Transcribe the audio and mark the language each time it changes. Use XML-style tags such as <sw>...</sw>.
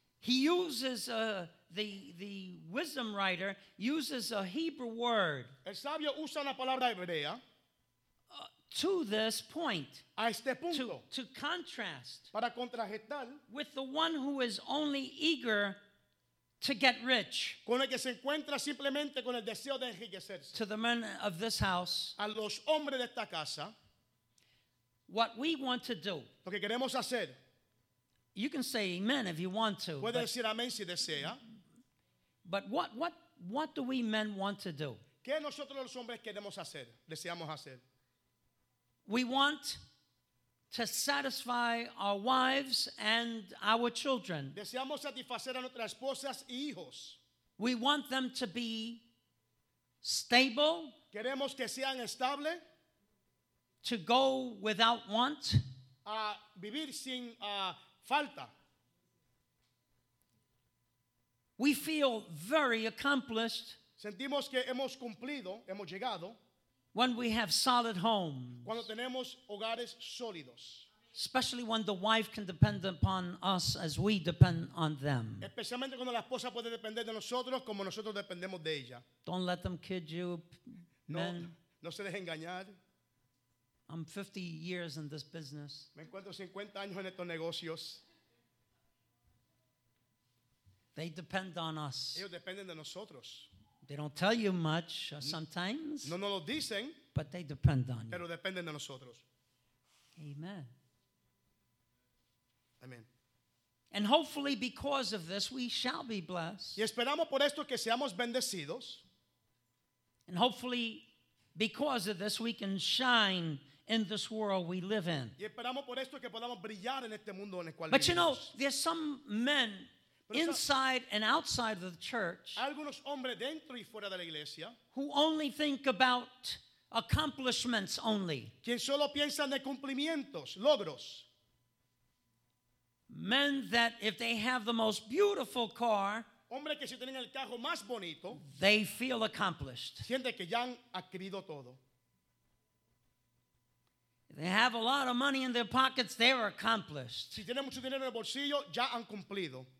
<en>He uses the wisdom writer uses a Hebrew word.</en> <es>El sabio usa una palabra hebrea.</es> <en>To this point.</en> <es>A este punto.</es> <en>To contrast.</en> <es>Para contrarrestar.</es> <en>With the one who is only eager to get rich.</en> <es>Con el que se encuentra simplemente con el deseo de enriquecerse.</es> <en>To the men of this house.</en> <es>A los hombres de esta casa.</es> <en>What we want to do.</en> <es>Lo que queremos hacer.</es> <en>You can say amen if you want to.</en> <es>Puede decir amén si desea.</es> <en>But what do we men want to do?</en> <es>¿Qué nosotros los hombres queremos hacer? Deseamos hacer.</es> <en>We want to satisfy our wives and our children.</en> <es>Deseamos satisfacer a nuestras esposas y hijos.</es> <en>We want them to be stable.</en> <es>Queremos que sean estable.</es> <en>To go without want.</en> <es>Vivir sin falta.</es> <en>We feel very accomplished.</en> <es>Sentimos que hemos cumplido, hemos llegado.</es> <en>When we have solid homes.</en> <es>Cuando tenemos hogares sólidos.</es> <en>Especially when the wife can depend upon us as we depend on them.</en> <es>Especialmente cuando la esposa puede depender de nosotros como nosotros dependemos de ella.</es> <en>Don't let them kid you, men.</en> <es>No, no se deje engañar.</es> <en>I'm 50 years in this business.</en> <es>Me encuentro 50 años en estos negocios.</es> <en>They depend on us.</en> <es>Ellos dependen de nosotros.</es> <en>They don't tell you much sometimes.</en> <es>No, no lo dicen.</es> <en>But they depend on</en> <es>pero</es> <en>you.</en> <es>Dependen de nosotros.</es> <en>Amen.</en> <es>Amen.</es> <en>And hopefully because of this we shall be blessed.</en> <es>Y esperamos por esto que seamos bendecidos.</es> <en>And hopefully because of this we can shine in this world we live in.</en> <es>Y esperamos por esto que podamos brillar en este mundo en el cual vivimos.</es> <en>But you know, there's some men inside and outside of the church</en> <es>algunos hombres dentro y fuera de la iglesia</es> <en>who only think about accomplishments only.</en> <es>Quien solo piensa en cumplimientos, logros.</es> <en>Men that if they have the most beautiful car,</en> <es>hombre que si tienen el carro más bonito,</es> <en>they feel accomplished.</en> <es>Siente que ya han adquirido todo.</es> <en>If they have a lot of money in their pockets, they're accomplished.</en> <es>Si tienen mucho dinero en el bolsillo, ya han cumplido.</es>